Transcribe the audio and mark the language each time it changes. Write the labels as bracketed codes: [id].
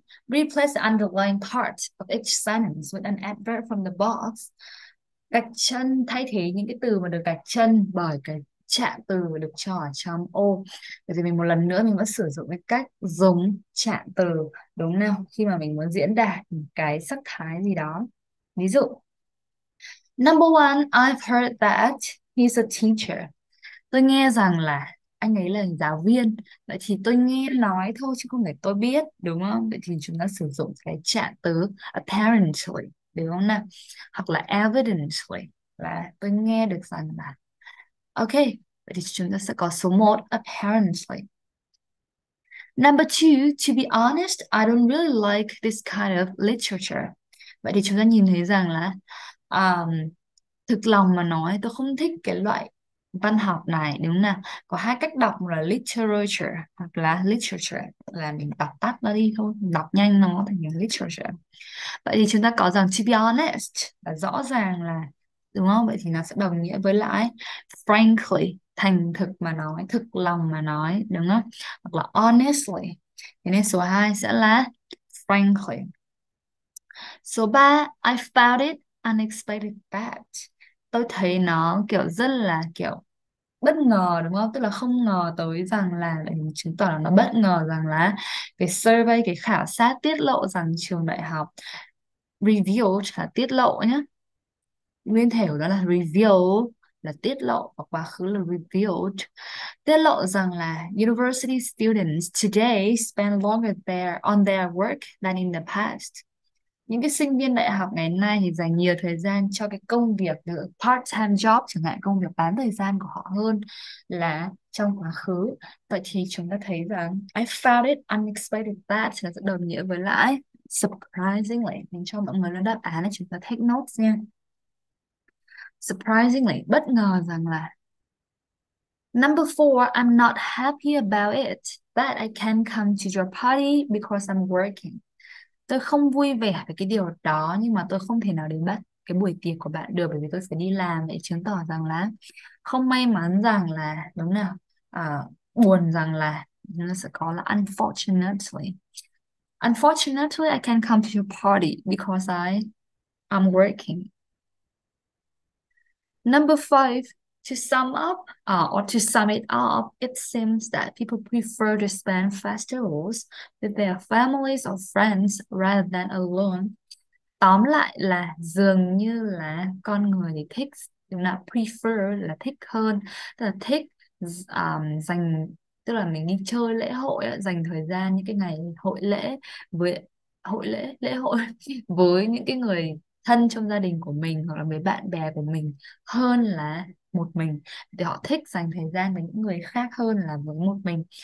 [en] Replace the underlying part of each sentence with an adverb from the box. [vi] Gạch chân, thay thế những cái từ mà được gạch chân bởi cái trạng từ được cho ở trong ô. Bây giờ mình một lần nữa mình vẫn sử dụng cái cách dùng trạng từ đúng nào khi mà mình muốn diễn đạt cái sắc thái gì đó. Ví dụ, [en] number one, I've heard that he's a teacher. [vi] Tôi nghe rằng là anh ấy là giáo viên. Vậy thì tôi nghe nói thôi chứ không phải tôi biết, đúng không? Vậy thì chúng ta sử dụng cái trạng từ apparently, đúng không nào? Hoặc là evidently, là tôi nghe được rằng là. Ok, vậy thì chúng ta sẽ có số 1, apparently. [en] Number 2, to be honest, I don't really like this kind of literature. [vi] Vậy thì chúng ta nhìn thấy rằng là thực lòng mà nói, tôi không thích cái loại văn học này, đúng không nào? Có hai cách đọc, một là literature hoặc là literature, là mình đọc tắt nó đi thôi, đọc nhanh nó thành literature. Vậy thì chúng ta có rằng [en] to be honest [vi] là rõ ràng là đúng không? Vậy thì nó sẽ đồng nghĩa với lại frankly, thành thực mà nói, thực lòng mà nói, đúng không? Hoặc là honestly. Thế nên số 2 sẽ là frankly. Số 3, [en] I found it unexpected fact. [vi] Tôi thấy nó kiểu rất là kiểu bất ngờ, đúng không? Tức là không ngờ tới rằng là, để chứng tỏ là nó bất ngờ rằng là cái survey, cái khảo sát tiết lộ rằng trường đại học review, chả tiết lộ nhá. Nguyên thể của nó là reveal, là tiết lộ, và quá khứ là revealed. Tiết lộ rằng là [en] university students today spend longer there on their work than in the past. [vi] Những cái sinh viên đại học ngày nay thì dành nhiều thời gian cho cái công việc [en] part time job, [vi] chẳng hạn công việc bán thời gian của họ, hơn là trong quá khứ. Vậy thì chúng ta thấy rằng [en] I found it unexpected that [vi] sẽ đồng nghĩa với lại surprisingly. Mình cho mọi người là đáp án để chúng ta [en] take notes [vi] nha. [en] Surprisingly, [vi] bất ngờ rằng là [en] number four, I'm not happy about it, but I can come to your party because I'm working. [vi] Tôi không vui vẻ với cái điều đó nhưng mà tôi không thể nào đến bắt cái buổi tiệc của bạn được bởi vì tôi sẽ đi làm. Để chứng tỏ rằng là không may mắn rằng là đúng nào, buồn rằng là nó sẽ có là unfortunately. [en] Unfortunately, I can't come to your party because I'm working. Number five, to sum up or to sum it up, it seems that people prefer to spend festivals with their families or friends rather than alone. [vi] Tóm lại là dường như là con người thì thích, đúng là prefer là thích hơn, tức là thích dành, tức là mình đi chơi lễ hội, dành thời gian những cái ngày hội lễ với lễ hội với những cái người thân trong gia đình của mình hoặc là với bạn bè của mình hơn là một mình, thì họ thích dành thời gian với những người khác hơn là với một mình.